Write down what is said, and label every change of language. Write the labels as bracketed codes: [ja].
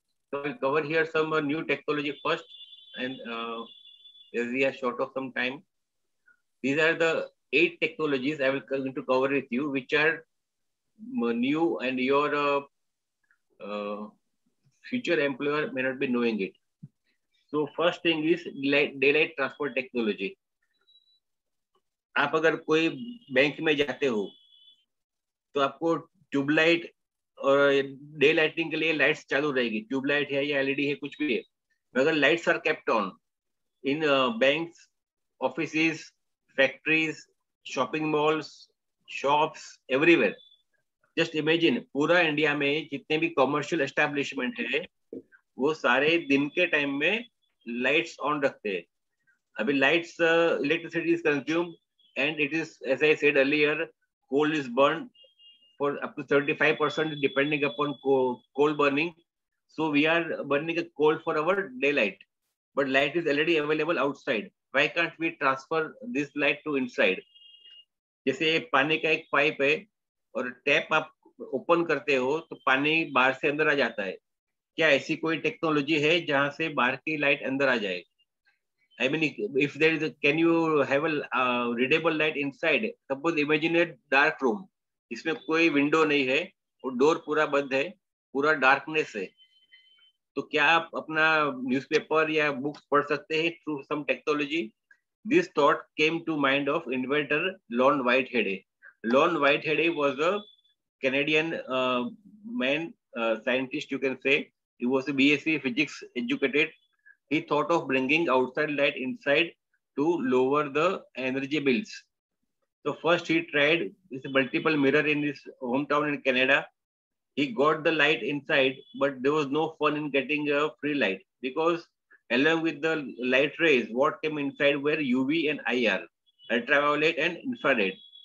[en] So we'll cover here some new technology first, and as we are short of some time, these are the 8 technologies I will going to cover with you, which are new and your future employer may not be knowing it. So first thing is daylight transport technology. [hi] आप अगर कोई bank में जाते हो तो आपको tubelight और day lighting के लिए लाइट्स चालू रहेगी, ट्यूबलाइट है या एलईडी है कुछ भी है, मगर [en] Lights are kept on in banks, offices, factories, shopping malls, shops, everywhere. Just imagine [hi] पूरा इंडिया में जितने भी कॉमर्शियल एस्टेब्लिशमेंट है वो सारे दिन के टाइम में लाइट्स ऑन रखते हैं. [en] अभी lights electricity is consume and it is as I said earlier coal is burn for up to 35% depending upon coal burning. So we are burning a coal for our daylight, but light is already available outside. Why can't we transfer this light to inside? [hi] जैसे पानी का एक pipe है और tap आप open करते हो तो पानी बाहर से अंदर आ जाता है, क्या ऐसी कोई टेक्नोलॉजी है जहां से बाहर की लाइट अंदर आ जाए? [en] I mean, if there is a, can you have a readable light inside? Suppose imagine a dark room. [hi] इसमें कोई विंडो नहीं है और डोर पूरा बंद है, पूरा डार्कनेस है, तो क्या आप अपना न्यूज़पेपर या बुक्स पढ़ सकते हैं [en] Through some technology? This thought came to mind of inventor Lorne Whitehead. Lorne Whitehead was a Canadian man scientist, you can say he was a BSc physics educated. He thought of bringing outside light inside to lower the energy bills. So first he tried this multiple mirror in his hometown in Canada. He got the light inside, but there was no fun in getting a free light because along with the light rays, what came inside were UV and IR, ultraviolet and infrared.